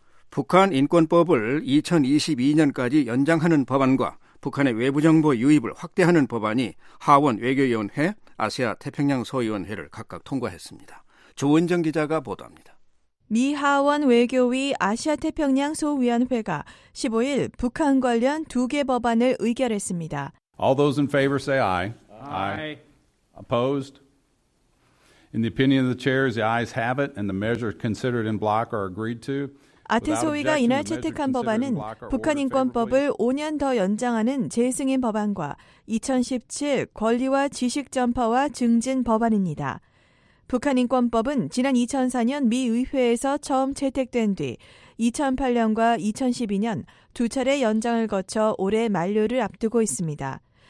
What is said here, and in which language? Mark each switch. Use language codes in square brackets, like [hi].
[ko] 북한 인권법을 2022년까지 연장하는 법안과 북한의 외부정보 유입을 확대하는 법안이 하원 외교위원회, 아시아 태평양 소위원회를 각각 통과했습니다. 조은정 기자가 보도합니다. 미 하원 외교위 아시아태평양 소위원회가 15일 북한 관련 두 개 법안을 의결했습니다. [en] All those in favor say aye. Aye. Opposed? In the opinion of the chair, the ayes have it and the measure considered in block are agreed to. [ko] 아태소위가 이날 채택한 법안은 북한인권법을 5년 더 연장하는 재승인 법안과 2017 권리와 지식 전파와 증진 법안입니다. 북한인권법은 지난 2004년 미 의회에서 처음 채택된 뒤 2008년과 2012년 두 차례 연장을 거쳐 올해 만료를 앞두고 있습니다.